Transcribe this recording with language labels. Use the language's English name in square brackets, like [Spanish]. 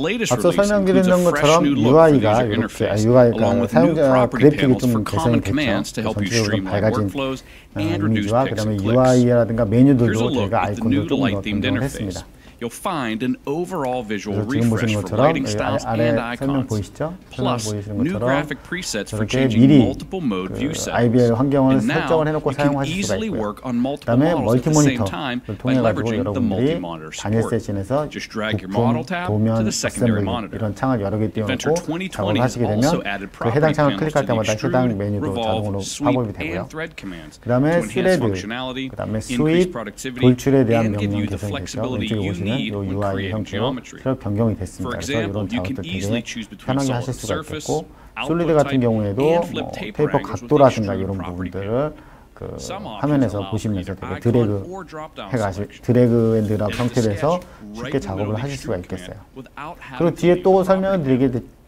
[Korean] 앞서 설명드린 것처럼 UI가 이렇게 UI가 사용자 그래픽이 좀 개선이 됐죠. 전체적으로 밝아진 이미지와 그 다음에 UI라든가 메뉴들도 저희가 아이콘도 조금 더 변경했습니다. [English] You'll find an overall visual refresh for lighting styles and icons. Plus, new graphic presets for changing multiple mode view settings. And now, you can easily work on multiple models at the same time by leveraging the multi-monitor support. Just drag your model tab to the secondary monitor. Inventor 2020 has also added property panels to the extrude, revolve, sweep, and thread commands to enhance functionality, increase productivity, and give you the flexibility you need. [Korean] 요 UI 형태로 새로 변경이 됐습니다. 그래서 이런 작업도 되게 편하게 하실 수가 있겠고 솔리드 같은 경우에도 뭐 테이퍼 각도라든가 이런 부분들을 그 화면에서 보시면서 되게 드래그 앤 드랍 형태로 해서 쉽게 작업을 하실 수가 있겠어요. 그리고 뒤에 또 설명을 드리게